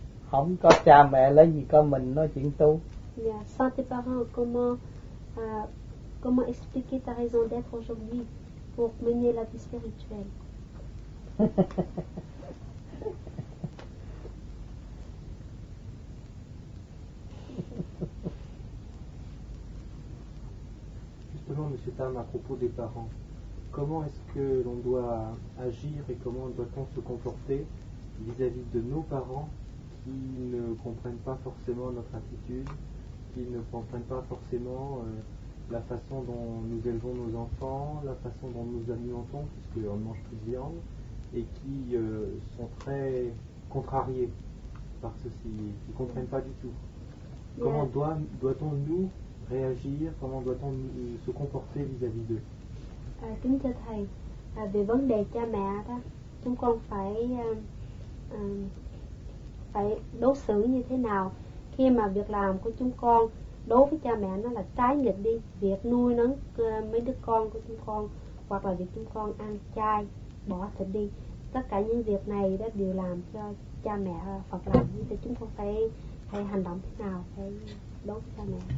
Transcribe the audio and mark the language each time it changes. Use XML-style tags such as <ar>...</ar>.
<vi>Không có cha mẹ lấy gì có mình nói chuyện tu.</vi> <fr>Yeah, sans tes parents, comment expliquer ta raison d'être aujourd'hui pour mener la vie spirituelle? Justement, M. Tam, à propos des parents, comment est-ce que l'on doit agir et comment doit-on se comporter vis-à-vis de nos parents qui ne comprennent pas forcément notre attitude, qui ne comprennent pas forcément la façon dont nous élevons nos enfants, la façon dont nous alimentons, puisqu'on ne mange plus de viande, et qui sont très contrariés par ceci, qui ne comprennent pas du tout. Comment doit-on nous réagir, comment doit-on se comporter vis-à-vis d'eux?</fr> <vi>Kính thưa thầy, về vấn đề cha mẹ đó, chúng con phải phải đối xử như thế nào khi mà việc làm của chúng con đối với cha mẹ nó là trái nghịch đi, việc nuôi nấng mấy đứa con của chúng con hoặc là việc chúng con ăn chay bỏ thịt đi, tất cả những việc này đó đều làm cho cha mẹ Phật làm, như thế chúng con phải hành động thế nào, phải đối với cha mẹ.</vi>